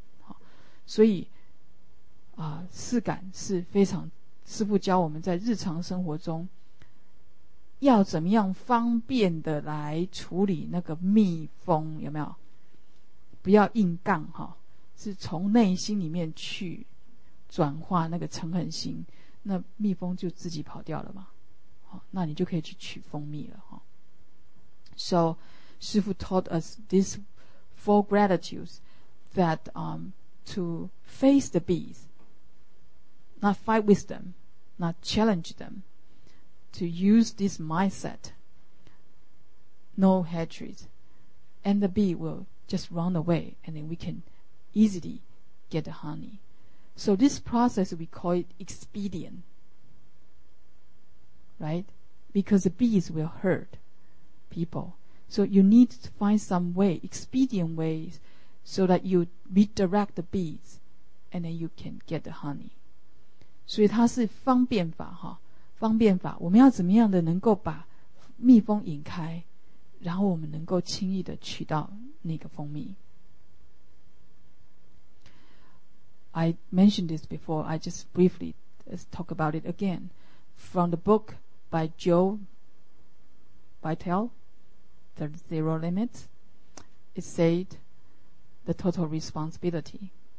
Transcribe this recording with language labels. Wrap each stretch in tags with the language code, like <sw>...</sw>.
<zh>好，所以四感是非常，师父教我们在日常生活中要怎么样方便的来处理那个逆风，有没有？不要硬杠，是从内心里面去转化那个嗔恨心，那逆风就自己跑掉了嘛。那你就可以去取蜂蜜了。</zh> <en>So 师父 taught us these four gratitudes that to face the bees, not fight with them, not challenge them, to use this mindset, no hatred, and the bee will just run away, and then we can easily get the honey. So this process we call it expedient, right? Because the bees will hurt people. So you need to find some way, expedient ways, so that you redirect the bees, and then you can get the honey.</en> <zh>所以它是方便法，方便法，我们要怎么样的能够把蜜蜂引开，然后我们能够轻易的取到那个蜂蜜。</zh> <en>I mentioned this before, I just briefly talk about it again. From the book,by Joe Vitale, The Zero Limit, it said the total responsibility.</en>